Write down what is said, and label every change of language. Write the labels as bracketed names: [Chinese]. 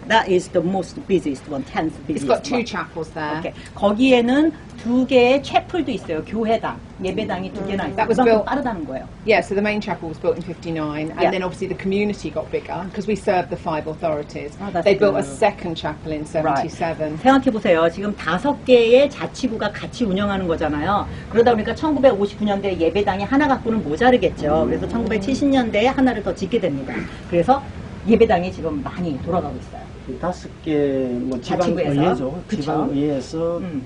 [English] That is the most busiest one, tenth busiest. It's got two chapels there. Okay. [Korean] 거기에는 두 개의 채플도 있어요. 교회당, 예배당이 두 개나 있어요. 그만큼 [English] built, [Korean] 빠르다는 거예요. [English] Yeah, so the main chapel was built in 59 and yeah. then obviously the community got bigger because we served the five authorities. Oh, they good. built a second chapel in 77. Right. [Korean] 생각해 보세요. 지금 다섯 개의 자치구가 같이 운영하는 거잖아요. 그러다 보니까 1959년대 예배당이 하나 갖고는 모자르겠죠. 그래서 1970년대에 하나를 더 짓게 됩니다. 그래서 예배당이 지금 많이 돌아가고 있어요. 다섯 개 뭐 지방의회죠. 지방의회에서